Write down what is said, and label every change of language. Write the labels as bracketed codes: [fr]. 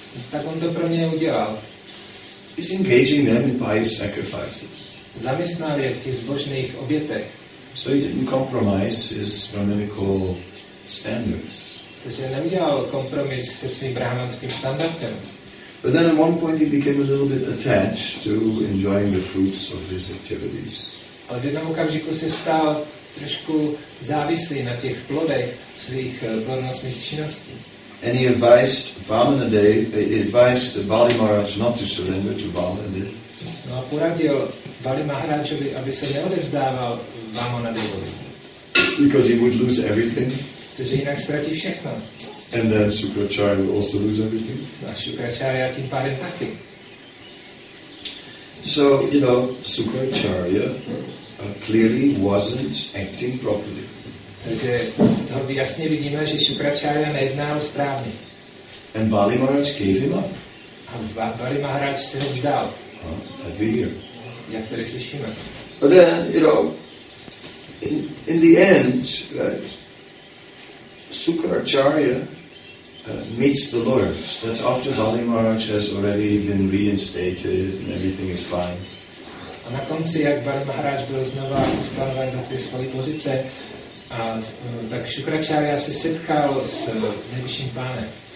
[cs] Tak on to pro ně udělal. [en] He's engaging them in pious sacrifices. [cs] Zaměstnal je v těch zbožných obětech. [en] So he didn't compromise his brahminical standards. [cs] Takže neudělal kompromis se svým brahmanským standardem. [en] But then at one point he became a little bit attached to enjoying the fruits of his activities. [cs] Ale v jednom okamžiku se stal trošku závislý na těch plodech svých plodnostních činností. [en] And he advised Vamanadeva, he advised Bali Maharaj not to surrender to Vamanadeva. [cs] No a poradil Bali Maharajovi, aby se neodevzdával Vamanadevovi. [en] Because he would lose everything. [cs] Protože jinak ztratí všechno. [en] And then Sukracharya will also lose everything. [cs] A Sukracharya tím pádem taky. [en] So, you know, Sukracharya clearly wasn't acting properly. [cs] Takže z toho jasně vidíme, že Sukracharya nejednal správně. [en] And Bali Maharaj gave him up. [cs] A Bali Maharaj se ho vzdal. [en] I'd be here. [cs] Jak tady slyšíme. [en] But then, you know, in the end, right, Sukracharya meets the lawyers. That's after Bali Maharaj has already been reinstated and everything is fine. [cs] A na konci, jak Bali Maharaj byl znova ustanoven na té své pozice, a tak Sukracharya se setkal s nejvyšším pánem.